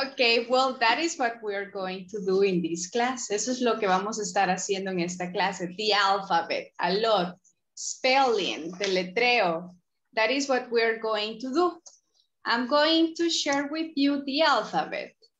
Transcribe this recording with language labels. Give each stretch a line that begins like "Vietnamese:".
English: Okay, well, that is what we are going to do in this class.
Spanish: Eso es lo que vamos a estar haciendo en esta clase.
English: The alphabet, a lot, spelling, deletreo. That is what we are going to do. I'm going to share with you the alphabet.